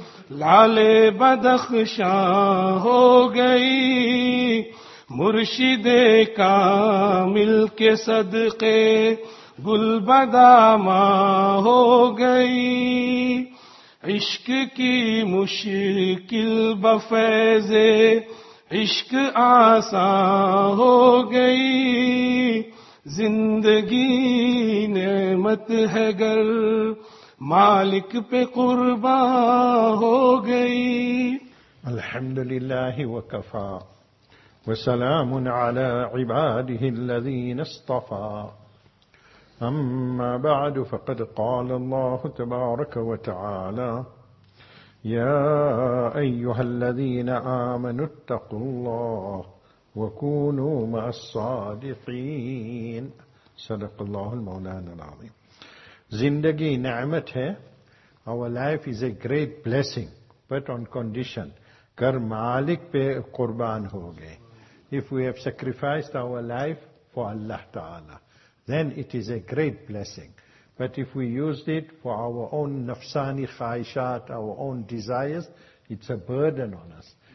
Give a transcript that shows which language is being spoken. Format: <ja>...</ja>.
<ur>لال Badakhshan ہو گئی, مرشد کامل کے صدقے گل بداماں ہو گئی, عشق کی مشکل بفیض عشق آسان ہو گئی. زندگی نعمت ہے گر مالک پہ قربان ہو گئی.</ur> <ar>الحمدللہ وکفا وسلام علی عباده الذین اصطفا, أما بعد فقد قال الله تبارك وتعالى, يا أيها الذين آمنوا اتقوا الله وكونوا مع الصادقين. صدق الله المولانا العظيم.</ar> <ur>زندگی نعمت ہے.</ur> <en>Our life is a great blessing, but on condition</en> <ur>کر مالک پہ قربان ہو گئے.</ur> <en>If we have sacrificed our life for Allah Ta'ala, then it is a great blessing. But if we used it for our own nafsani khaishat, our own desires, it's a burden on us.</en>